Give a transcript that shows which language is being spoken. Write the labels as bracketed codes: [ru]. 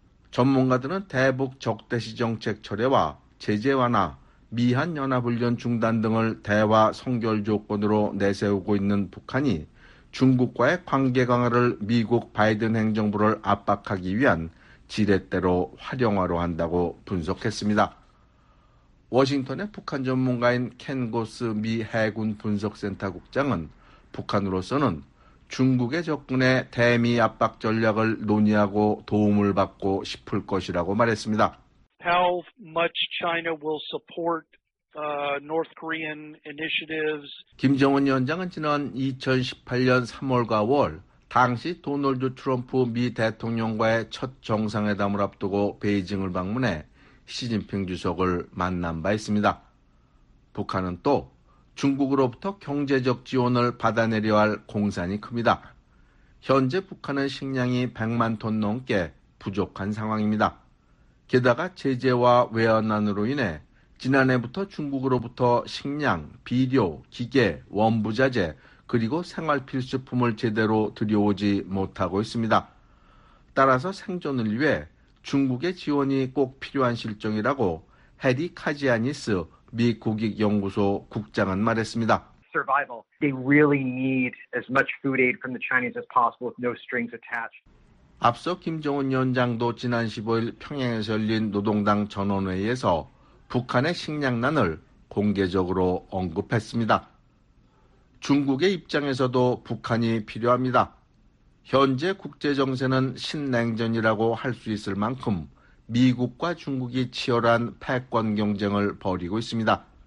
[ko] 전문가들은 대북 적대시 정책 철회와 제재 완화, 미한 연합훈련 중단 등을 대화 선결 조건으로 내세우고 있는 북한이 중국과의 관계 강화를 미국 바이든 행정부를 압박하기 위한 지렛대로 활용하려 한다고 분석했습니다. 워싱턴의 북한 전문가인 켄 고스 미 해군 분석센터 국장은 북한으로서는 중국의 접근에 대미 압박 전략을 논의하고 도움을 받고 싶을 것이라고 말했습니다. [en] How much China will support North Korean initiatives? [ko] 김정은 위원장은 지난 2018년 3월과 월 당시 도널드 트럼프 미 대통령과의 첫 정상회담을 앞두고 베이징을 방문해 시진핑 주석을 만난 바 있습니다. 북한은 또 중국으로부터 경제적 지원을 받아내려 할 공산이 큽니다. 현재 북한은 식량이 100만 톤 넘게 부족한 상황입니다. 게다가 제재와 외환난으로 인해 지난해부터 중국으로부터 식량, 비료, 기계, 원부자재 그리고 생활필수품을 제대로 들여오지 못하고 있습니다. 따라서 생존을 위해 중국의 지원이 꼭 필요한 실정이라고 해리 카지아니스 미 국익연구소 국장은 말했습니다. [en] Survival. They really need as much food aid from the Chinese as possible with no strings attached. [ko] 앞서 김정은 위원장도 지난 15일 평양에서 열린 노동당 전원회의에서 북한의 식량난을 공개적으로 언급했습니다. 중국의 입장에서도 북한이 필요합니다. 현재 국제정세는 신냉전이라고 할 수 있을 만큼 미국과 중국이 치열한 패권 경쟁을 벌이고 있습니다.